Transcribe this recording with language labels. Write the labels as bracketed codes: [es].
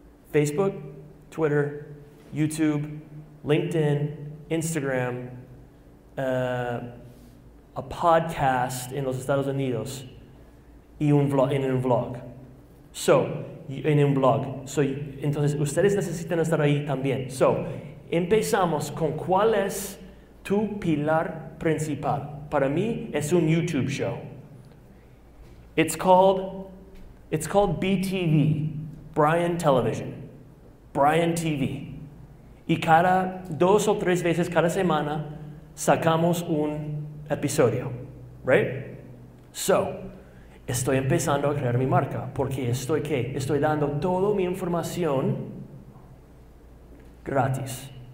[es] Facebook, Twitter, YouTube, LinkedIn, Instagram, a podcast en los Estados Unidos y un vlog, en un vlog. So, en un blog. So, entonces, ustedes necesitan estar ahí también. So, empezamos con cuál es tu pilar principal. Para mí, es un YouTube show. [en] It's called BTV, Brian Television, Brian TV. [es] Y cada dos o tres veces cada semana sacamos un episodio, right? So, estoy empezando a crear mi marca porque estoy, ¿qué? Estoy dando toda mi información gratis.